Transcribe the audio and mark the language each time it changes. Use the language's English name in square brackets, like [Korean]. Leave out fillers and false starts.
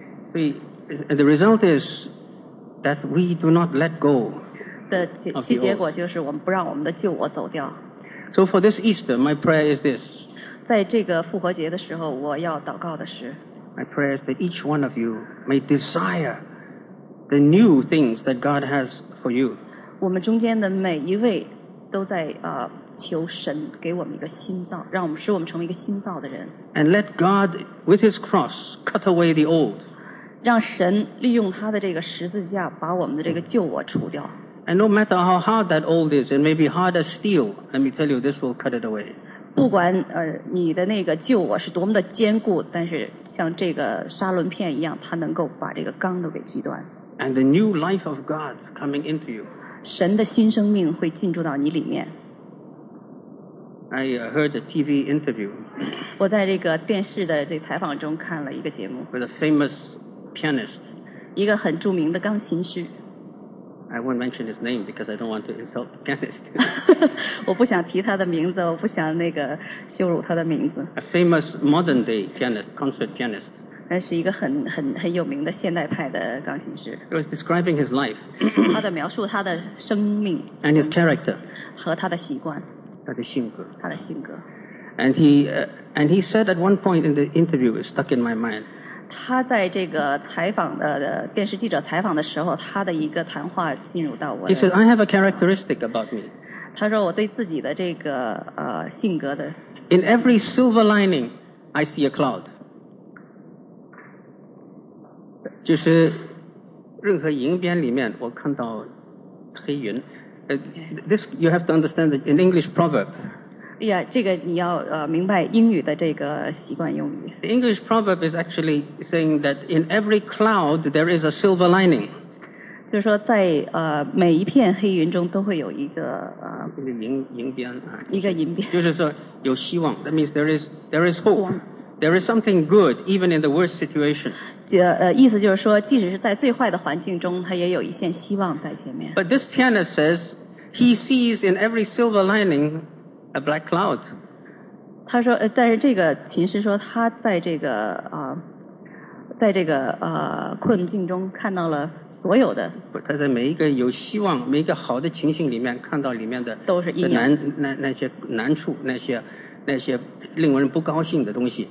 [English] 所以 the result is that we do not let go. [Chinese] 的其结果就是我们不让我们的旧我走掉。 [English] So for this Easter, my prayer is this. [Chinese] 在这个复活节的时候，我要祷告的是。 [English] My prayer is that each one of you may desire the new things that God has for you. [Chinese] 我们中间的每一位都在求神给我们一个新造，让我们使我们成为一个新造的人。 [English] And let God, with His cross, cut away the old. [Chinese] 让神利用他的这个十字架把我们的这个旧我除掉。 [English] And no matter how hard that old is, it may be hard as steel. Let me tell you, this will cut it away. [Chinese] 不管你的那个旧我是多么的坚固，但是像这个砂轮片一样，它能够把这个钢都给锯断。 [English] And the new life of God coming into you. [Chinese] 神的新生命会进驻到你里面。 [English] I heard a TV interview. [Chinese] 我在这个电视的这采访中看了一个节目。 [English] With a famous pianist. [Chinese] 一个很著名的钢琴师。 [English] I won't mention his name because I don't want to insult the pianist. [Chinese] 我不想提他的名字，我不想那个羞辱他的名字。 [English] A famous modern day pianist, concert pianist. [Chinese] 那是一个很有名的现代派的钢琴师。 [English] He was describing his life. [Chinese] 他的描述他的生命。 [English] And his character. [Chinese] 和他的习惯。他的性格。他的性格。 [English] And he said at one point in the interview, it stuck in my mind. [Chinese] 他在这个采访的电视记者采访的时候，他的一个谈话进入到我。 [English] He said, "I have a characteristic about me." [Chinese] 他说我对自己的这个性格的。 [English] In every silver lining, I see a cloud. [Chinese] 就是任何银边里面，我看到黑云。 [English] This you have to understand that in English proverb. [Chinese] Yeah, 这个你要明白英语的这个习惯用语。 [English] The English proverb is actually saying that in every cloud there is a silver lining. [Chinese] 就是说在每一片黑云中都会有一个银边啊。一个银边。就是说有希望 [English] ，that means there is hope. There is something good even in the worst situation. [Chinese] 意思就是说，即使是在最坏的环境中，它也有一线希望在前面。 [English] But this pianist says he sees in every silver lining. A black cloud. [Chinese] 他说，但是这个琴师说，他在这个在这个困境中看到了所有的。他在每一个有希望、每一个好的情形里面，看到里面的都是阴影。那些难处，那些令人不高兴的东西。